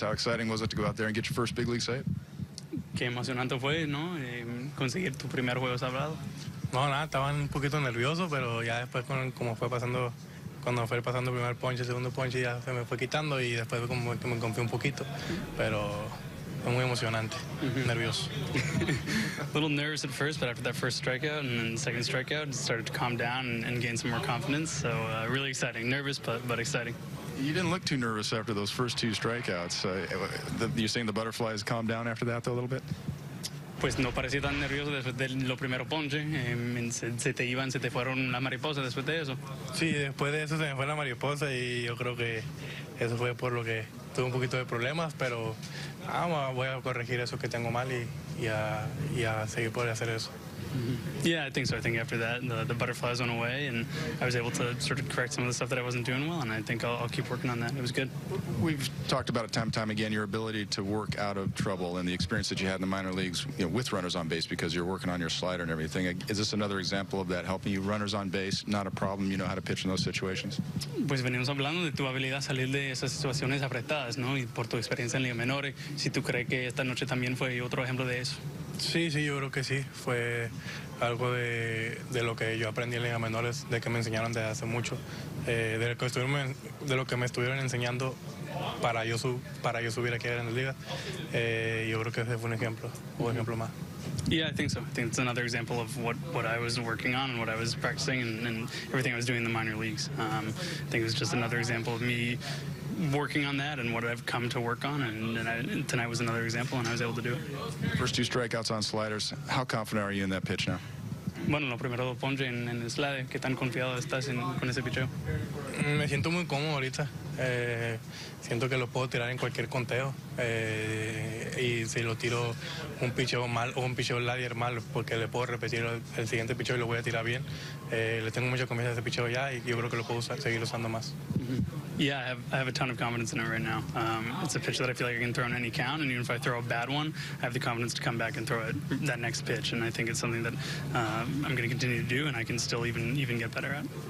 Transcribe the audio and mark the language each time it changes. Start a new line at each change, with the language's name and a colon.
English: How exciting was it to go out there and get your first big league save?
Spanish: Qué emocionante fue, ¿no? Conseguir tu primer juego sabrado. No, nada, estaban un poquito nervioso, pero ya después, como fue pasando, cuando fue pasando el primer punch, el segundo punch, ya se me fue quitando y después como que me confié un poquito, pero fue muy emocionante, nervioso.
English: A little nervous at first, but after that first strikeout and then the second strikeout, it started to calm down and gain some more confidence, so really exciting. Nervous, but exciting. You didn't look too nervous after those first two strikeouts. You're saying the butterflies calmed down after that, though, a little bit?
Spanish: Pues no parecía tan nervioso después de lo primero ponche. Se te iban, se te fueron las mariposas después de eso. Sí, después de eso se me fue la mariposa y yo creo que eso fue por lo que tuve un poquito de problemas, pero voy a corregir eso que tengo mal y a seguir por hacer eso.
English: Mm-hmm. Yeah, I think so. I think after that, the butterflies went away, and I was able to sort of correct some of the stuff that I wasn't doing well, and I think I'll keep working on that. It was good. We've talked about it time and time again, your ability to work out of trouble and the experience that you had in the minor leagues, you know, with runners on base because you're working on your slider and everything. Is this another example of that helping you? Runners on base, not a problem. You know how to pitch in those situations.
Spanish: Pues venimos hablando de tu habilidad salir de esas situaciones apretadas, ¿no? Y por tu experiencia en ligas menores, si tú crees que esta noche también fue otro ejemplo de eso. Sí, sí, yo creo que sí. Fue algo de lo que yo aprendí en ligas menores, de que me enseñaron desde hace mucho, de lo que me estuvieron enseñando para yo subir aquí en la liga. Yo creo que ese fue un ejemplo, mm-hmm. ejemplo más.
English: Yeah, I think so. I think it's another example of what I was working on and what I was practicing and everything I was doing in the minor leagues. I think it was just another example of me working on that and what I've come to work on, and tonight was another example, and I was able to do it. First two strikeouts on sliders. How confident are you in that pitch now?
Spanish: Bueno, lo primero dos ponche en el slider. ¿Qué tan confiado estás con ese picheo? Me siento muy cómodo ahorita. Siento que lo puedo tirar en cualquier conteo. Y si lo tiro un picheo mal o un picheo slider mal, porque le puedo repetir el siguiente picheo y lo voy a tirar bien. Le tengo mucha confianza a ese picheo ya y yo creo que lo puedo seguir usando más.
English: Yeah, I have a ton of confidence in it right now. It's a pitch that I feel like I can throw in any count, and even if I throw a bad one, I have the confidence to come back and throw it that next pitch, and I think it's something that I'm going to continue to do, and I can still even get better at.